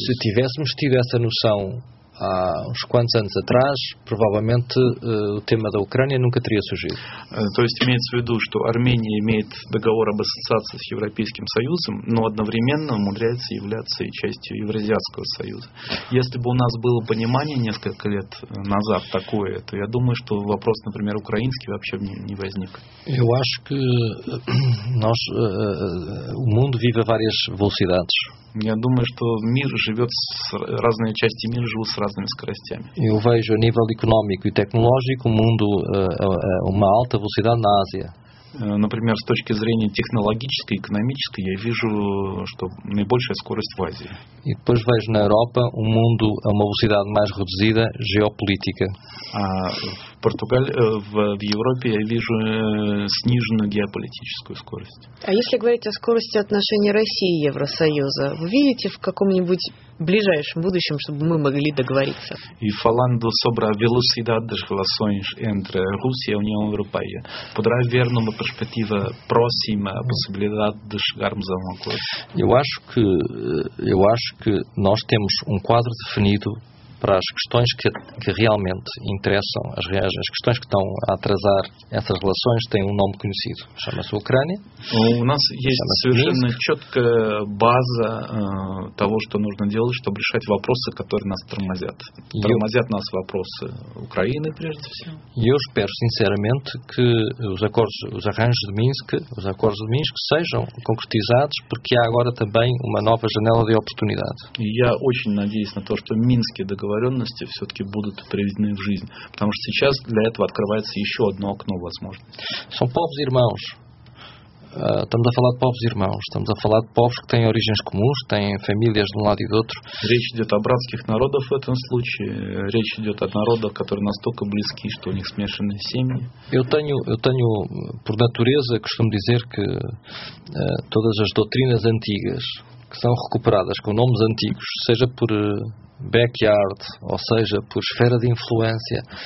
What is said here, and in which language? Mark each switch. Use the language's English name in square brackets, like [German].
[Portuguese] Se tivéssemos tido essa noção há uns quantos anos atrás, provavelmente o tema da Ucrânia nunca teria surgido. [Russian] То есть имеется в виду, что Армения имеет договор об ассоциации с Европейским Союзом, но одновременно умудряется являться и частью Евразийского Союза. Если бы у нас было понимание несколько лет назад такое, то я думаю, что вопрос, например, украинский вообще не возник. [Portuguese] Eu acho que nós, o mundo vive a várias velocidades. [Russian] Я думаю, что мир живет с разные части мира живут с разными скоростями. [Portuguese] Eu vejo a nível econômico e tecnológico o mundo uma alta velocidade na Ásia. [Russian] Например, с точки зрения технологической, экономической, я вижу, что наибольшая скорость в Азии. [Portuguese] И depois vejo na Europa o mundo a uma velocidade mais reduzida geopolítica. [Russian] А в Португалии, в Европе я вижу сниженную геополитическую скорость. А если говорить о скорости отношений России и Евросоюза, вы видите в каком-нибудь ближайшем будущем, чтобы мы могли договориться? [Portuguese] И falando sobre a velocidade das relações entre a Rússia e a União Europeia, poderá haver numa perspectiva próxima a possibilidade de chegarmos a um acordo? Eu acho que nós temos um quadro definido para as questões que realmente interessam, as questões que estão a atrasar essas relações têm um nome conhecido, chama-se Ucrânia. Eu espero sinceramente que os acordos de Minsk sejam concretizados, porque há agora também uma nova janela de oportunidade. E eu [Russian] очень надеюсь на то, что Минский договор все-таки будут приведены в жизнь. Потому что сейчас для этого открывается еще одно окно возможностей. [Portuguese] São povos irmãos. Estamos a falar de povos irmãos. Estamos a falar de povos que têm origens comuns, têm famílias de um lado e do outro. [Russian] Речь идет о братских народах в этом случае. Речь идет о народах, которые настолько близки, что у них смешанные семьи. [Portuguese] Eu tenho, por natureza, costumo dizer que todas as doutrinas antigas que são recuperadas com nomes antigos, seja por backyard, ou seja, por esfera de influência.